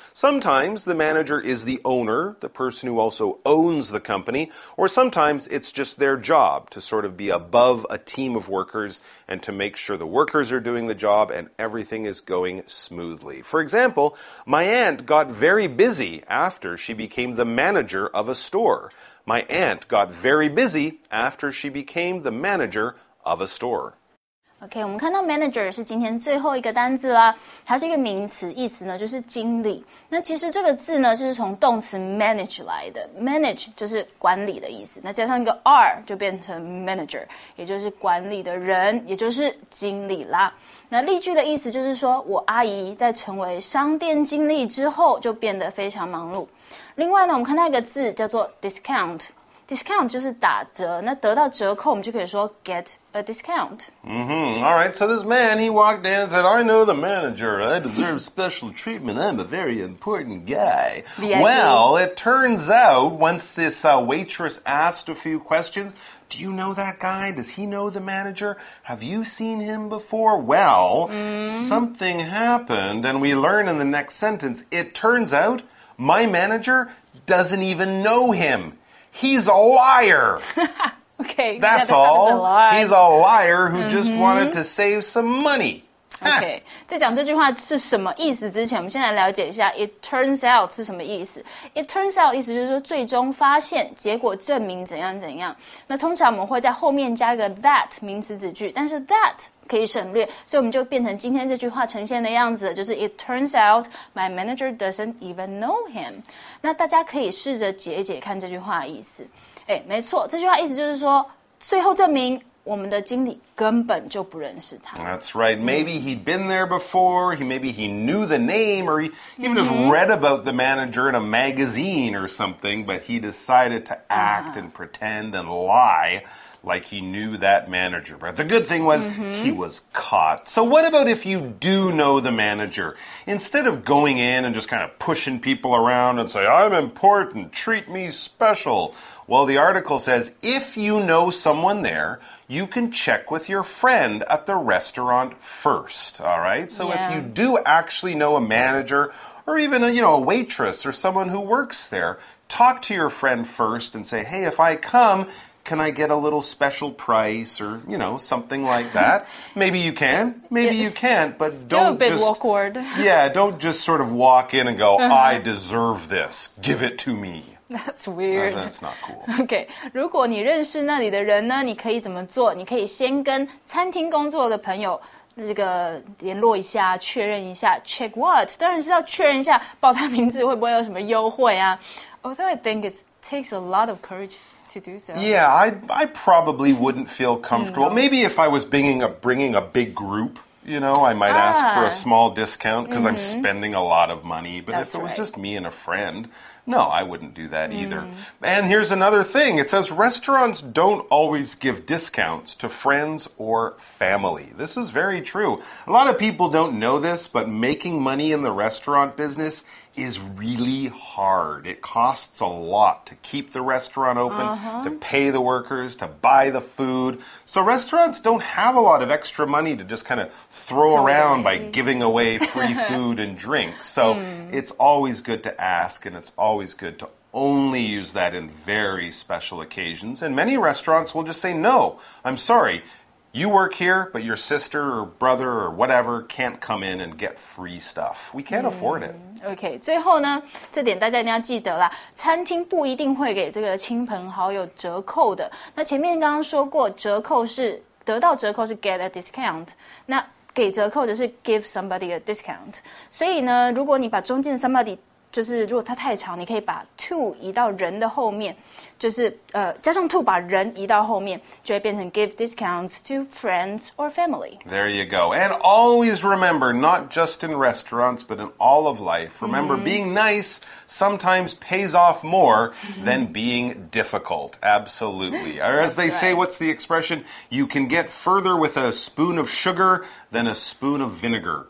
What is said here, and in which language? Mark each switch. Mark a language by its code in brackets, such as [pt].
[en] Sometimes the manager is the owner, the person who also owns the company, or sometimes it's just their job to sort of be above a team of workers and to make sure the workers are doing the job and everything is going smoothly. For example, my aunt got very busy after she became the manager of a store. My aunt got very busy after she became the manager of a store. [zh] OK, 我们看到 manager 是今天最后一个单字啦，它是一个名词，意思呢就是经理。那其实这个字呢就是从动词 manage 来的， manage 就是管理的意思，那加上一个 r 就变成 manager， 也就是管理的人，也就是经理啦。那例句的意思就是说，我阿姨在成为商店经理之后就变得非常忙碌。另外呢，我们看到一个字叫做 discount。Discount 就是打折，那得到折扣我们就可以说 [en] get a discount. Mm-hmm. All right, so this man, he walked in and said, I know the manager, I deserve special treatment, I'm a very important guy. Well, it turns out, once this waitress asked a few questions, do you know that guy? Does he know the manager? Have you seen him before? Well, something happened, and we learn in the next sentence, it turns out my manager doesn't even know him. He's a liar. Okay. That's all. He's a liar who just wanted to save some money. Okay. [zh] 在讲这句话是什么意思之前，我们先来了解一下 [en] it turns out [zh] 是什么意思。 [en] It turns out [zh] 意思就是说最终发现，结果证明怎样怎样。那通常我们会在后面加一个 that 名词子句，但是 that 可以省略，所以我们就变成今天这句话呈现的样子，就是 [en] it turns out my manager doesn't even know him. [zh] 那大家可以试着解一解看这句话的意思。哎，没错，这句话意思就是说最后证明。我们的经理根本就不认识他。 [en] That's right. Maybe he'd been there before. Maybe he knew the name or he even just read about the manager in a magazine or something. But he decided to act and pretend and lie like he knew that manager. But the good thing was he was caught. So what about if you do know the manager? Instead of going in and just kind of pushing people around and say, I'm important, treat me special. Well, the article says, if you know someone there... You can check with your friend at the restaurant first, all right? So if you do actually know a manager or even a, you know, a waitress or someone who works there, talk to your friend first and say, hey, if I come, can I get a little special price or, you know, something like that? Maybe you can, maybe you can't, but don't just... Still a bit awkward. Yeah, don't just sort of walk in and go, I deserve this, give it to me. That's weird. No, that's not cool. [zh] Okay, 如果你认识那里的人呢，你可以怎么做？你可以先跟餐厅工作的朋友这个联络一下，确认一下。 [en] Check what? [zh] 当然是要确认一下报他名字会不会有什么优惠啊。 [en] Although I think it takes a lot of courage to do so. Yeah, I probably wouldn't feel comfortable. No. Maybe if I was bringing a big group. You know, I might ask for a small discount because I'm spending a lot of money. But、 That's、 if it was、 right. just me and a friend, no, I wouldn't do that either. And here's another thing. It says restaurants don't always give discounts to friends or family. This is very true. A lot of people don't know this, but making money in the restaurant business is really hard. It costs a lot to keep the restaurant open, to pay the workers, to buy the food. So restaurants don't have a lot of extra money to just kind of throw around by giving away free food and drinks. So it's always good to ask, and it's always good to only use that in very special occasions. And many restaurants will just say, no, I'm sorry, you work here, but your sister or brother or whatever can't come in and get free stuff. We can't afford it. [zh] OK, 最后呢这点大家一定要记得啦餐厅不一定会给这个亲朋好友折扣的。那前面刚刚说过折扣是得到折扣是 [en] get a discount, [zh] 那给折扣的是 [en] give somebody a discount。 [zh] 所以呢如果你把中间 somebody 就是如果它太长，你可以把 to 移到人的后面，就是加上 to 把人移到后面，就会变成 [en] give discounts to friends or family. There you go. And always remember, not just in restaurants, but in all of life, remember, being nice sometimes pays off more than being difficult. Absolutely. Or as they say, what's the expression? You can get further with a spoon of sugar than a spoon of vinegar.